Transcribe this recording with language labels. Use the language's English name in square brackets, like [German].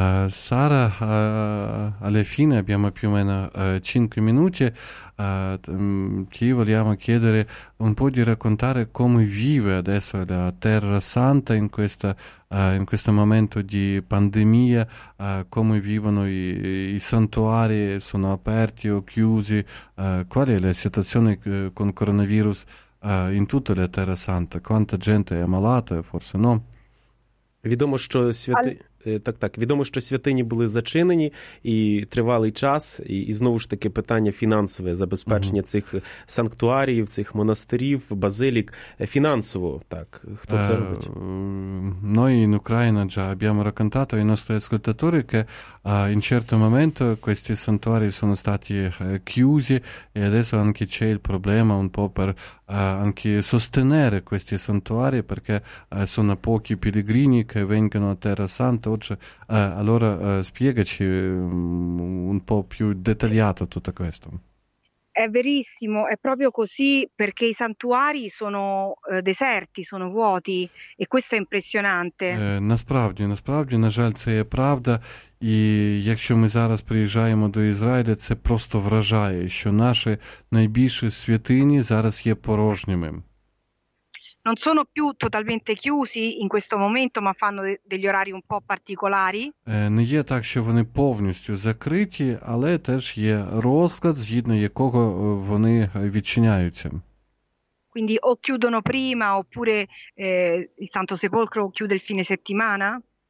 [Italian] Сара, але фіне, abbiamo più o meno 5 minuti. Ti vogliamo chiedere un po' di raccontare come vive adesso la Terra Santa in questo momento di pandemia, come vivono i santuari, sono aperti o chiusi, qual è la situazione con coronavirus in tutta la Terra Santa, quanta gente è malata, forse no? [Ukrainian] Відомо, що відомо, що святині були зачинені і тривалий час, і знову ж таки питання фінансове забезпечення цих санктуаріїв, цих монастирів, базилік фінансово. Так, хто це робить? [Italian] Noi in Ucraina già abbiamo raccontato ai nostri ascoltatori che in certo momento questi santuari sono stati chiusi e adesso anche c'è il problema un po' per anche sostenere questi santuari perché sono pochi pellegrini che vengono a Terra Santa. Allora spiegaci un po' più dettagliato tutto questo. È verissimo, è proprio così perché i santuari sono deserti, sono vuoti e questo è impressionante. [Ukrainian] Насправді, на жаль, це є правда. І якщо ми зараз приїжджаємо до Ізраїля, це просто вражає, що наші найбільші святині зараз є порожніми. [Italian] Non sono più totalmente chiusi in questo momento, ma fanno degli orari un po' particolari. [Ukrainian] Не є так, що вони повністю закриті, але теж є розклад, згідно якого вони відчиняються. [Italian] Quindi o chiudono prima, oppure il Santo Sepolcro chiude il fine settimana?